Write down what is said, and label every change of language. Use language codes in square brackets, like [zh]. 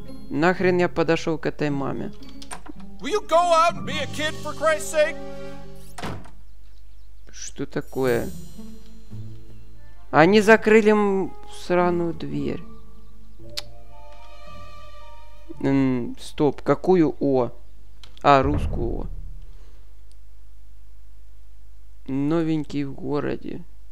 [ru] Нахрен я подошел к этой маме? [en] Will you go out and be a kid for Christ's sake? [ru] Что такое? Они закрыли сраную дверь. Стоп, какую О? А, русскую О. Новенький в городе.